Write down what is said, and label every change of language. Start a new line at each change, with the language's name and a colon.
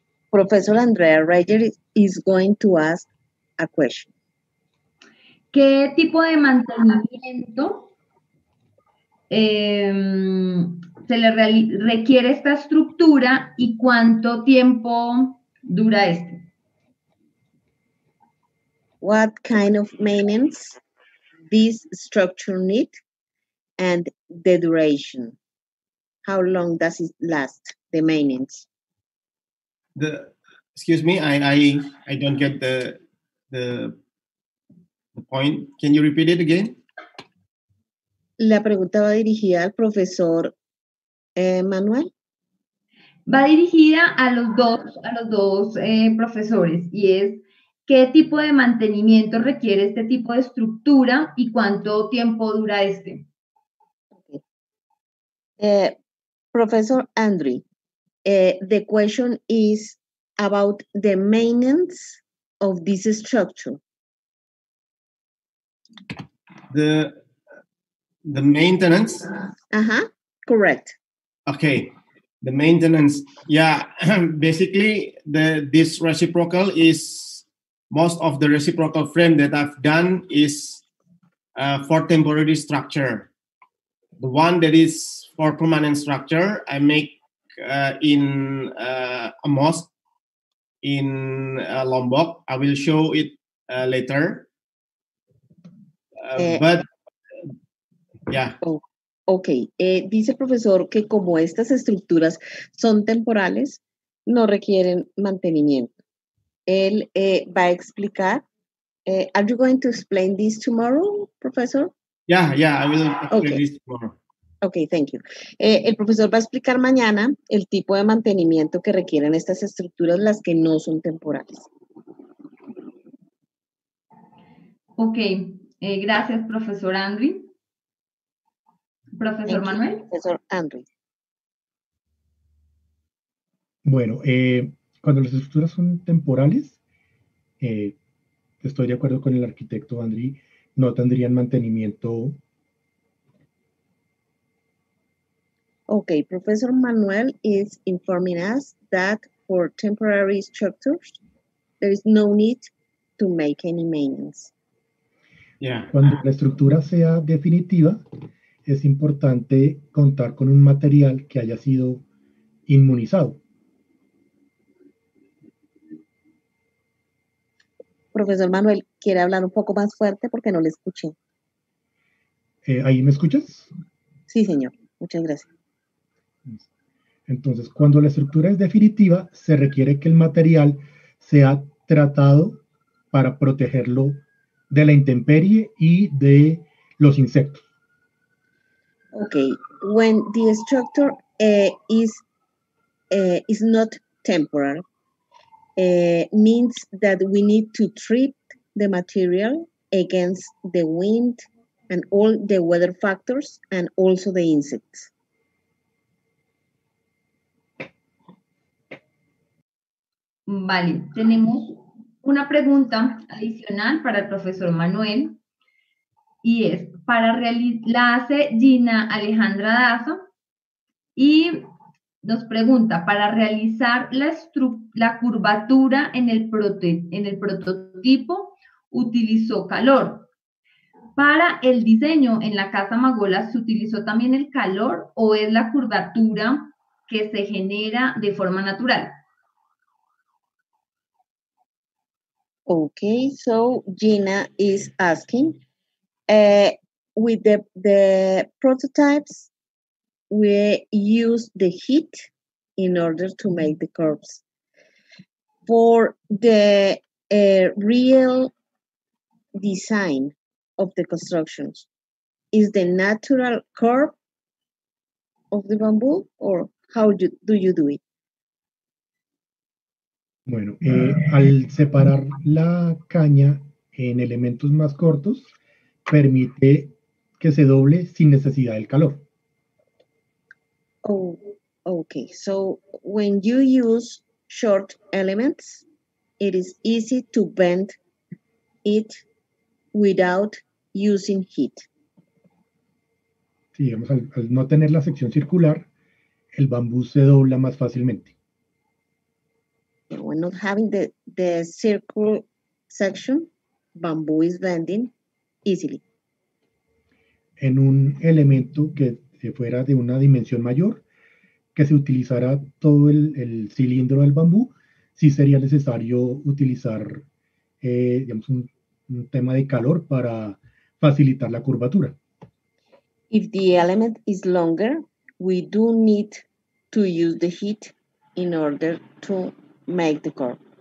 English: Professor Andrea Reyes is going to ask a question.
Spanish: ¿Qué tipo de mantenimiento se le requiere esta estructura y cuánto tiempo dura este?
English: What kind of maintenance this structure need and the duration? How long does it last, the maintenance? Excuse me, I don't get the point. Can you repeat it again?
Spanish: La pregunta va dirigida al profesor Manuel. Va dirigida a los dos profesores y es ¿qué tipo de mantenimiento requiere este tipo de estructura y cuánto tiempo dura este?
English: Profesor Andrew, the question is about the maintenance of this structure. The maintenance? Uh-huh, correct. Okay, the maintenance. Yeah, basically, this reciprocal is most of the reciprocal frame that I've done is for temporary structure. The one that is for permanent structure, I make in a mosque in Lombok. I will show it later. Okay.
Spanish: Dice el profesor que como estas estructuras son temporales, no requieren mantenimiento. Él va a explicar.
English: Are you going to explain this tomorrow, Professor? Yeah, I will explain this tomorrow. Okay, thank you.
Spanish: El profesor va a explicar mañana el tipo de mantenimiento que requieren estas estructuras, las que no son temporales. Okay, gracias, Profesor Andrew. Profesor Manuel. Profesor Andrew. Bueno, cuando las estructuras son temporales, estoy de acuerdo con el arquitecto Andri, no tendrían mantenimiento.
English: Ok, profesor Manuel is informing us that for temporary structures, there is no need to make any maintenance. Yeah.
Spanish: Cuando la estructura sea definitiva, es importante contar con un material que haya sido inmunizado. Profesor Manuel, ¿quiere hablar un poco más fuerte? Porque no le escuché. ¿Ahí me escuchas? Sí, señor. Muchas gracias. Entonces, cuando la estructura es definitiva, se requiere que el material sea tratado para protegerlo de la intemperie y de los insectos.
English: Ok. When the structure is not temporary, means that we need to treat the material against the wind and all the weather factors and also the insects.
Spanish: Vale, tenemos una pregunta adicional para el profesor Manuel y es para la hace Gina Alejandra Daza y nos pregunta, para realizar la curvatura en el prototipo, ¿utilizó calor? ¿Para el diseño en la Casa Magola se utilizó también el calor o es la curvatura que se genera de forma natural?
English: Ok, so Gina is asking, with the prototypes, we use the heat in order to make the curves. For the real design of the constructions, is the natural curve of the bamboo, or how do you do it?
Spanish: Bueno, al separar la caña en elementos más cortos, permite que se doble sin necesidad del calor.
English: Oh, okay. So when you use short elements, it is easy to bend it without using heat.
Spanish: Sí, digamos, al no tener la sección circular, el bambú se dobla más fácilmente.
English: When not having the circle section, bamboo is bending easily.
Spanish: En un elemento que fuera de una dimensión mayor, que se utilizara todo el cilindro del bambú, sí sería necesario utilizar digamos un tema de calor para facilitar la curvatura.
English: If the element is longer, we do need to use the heat in order to make the curve.